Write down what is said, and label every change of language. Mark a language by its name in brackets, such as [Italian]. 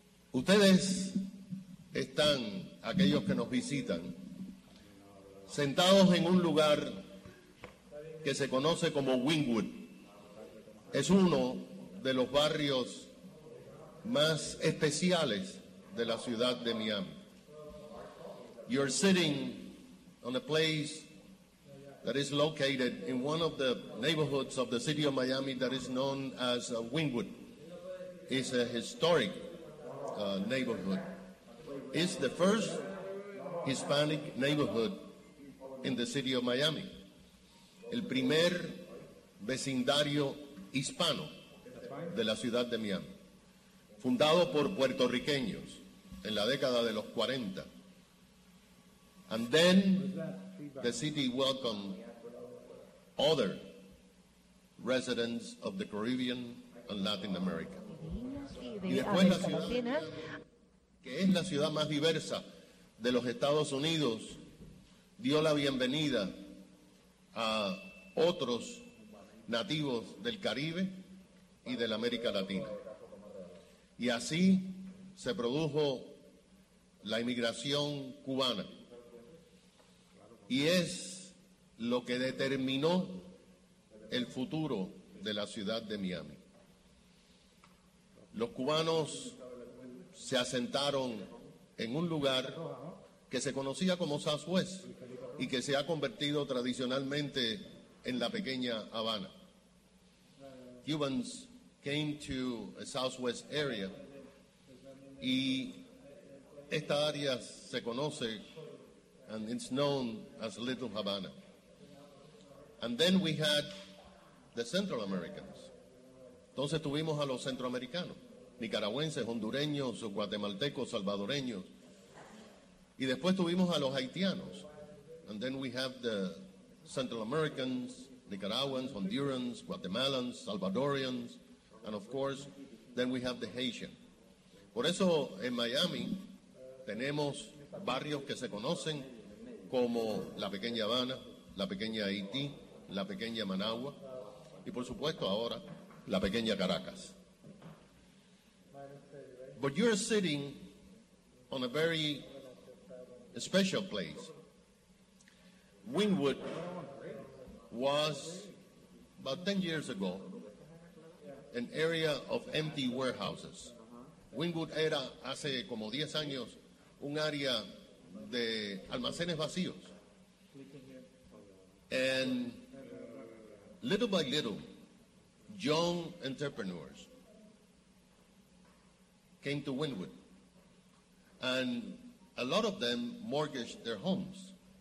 [Spanish] Ustedes están, aquellos que nos visitan, sentados en un lugar que se conoce como Wynwood. Es uno de los barrios más especiales de la ciudad de Miami. [English] You're sitting on a place that is located in one of the neighborhoods of the city of Miami that is known as Wynwood. It's a historic neighborhood. It's the first Hispanic neighborhood in the city of Miami. [Spanish] El primer vecindario hispano de la ciudad de Miami, fundado por puertorriqueños en la década de los 40. [English] And then the city welcomed other residents of the Caribbean and Latin America. [Spanish] Y después la ciudad, que es la ciudad más diversa de los Estados Unidos, dio la bienvenida a otros nativos del Caribe y de la América Latina. Y así se produjo la inmigración cubana. Y es lo que determinó el futuro de la ciudad de Miami. Los cubanos se asentaron en un lugar que se conocía como Southwest y que se ha convertido tradicionalmente en la pequeña Habana. [English] Cubans came to a Southwest area [Spanish] y esta área se conoce, [English] and it's known as Little Havana. And then we had the Central Americans. [Spanish] Entonces tuvimos a los centroamericanos, nicaragüenses, hondureños, guatemaltecos, salvadoreños. Y después tuvimos a los haitianos. [English] And then we have the Central Americans, Nicaraguans, Hondurans, Guatemalans, Salvadorians, and of course, then we have the Haitian. [Spanish] Por eso en Miami tenemos barrios que se conocen como la pequeña Habana, la pequeña Haití, la pequeña Managua, y por supuesto ahora, la pequeña Caracas. [English] But you're sitting on a very special place. Wynwood was, about 10 years ago, an area of empty warehouses. [Spanish] Wynwood era, hace como 10 años, un área de almacenes vacíos. [English] And little by little, young entrepreneurs came to Wynwood. And a lot of them mortgaged their homes.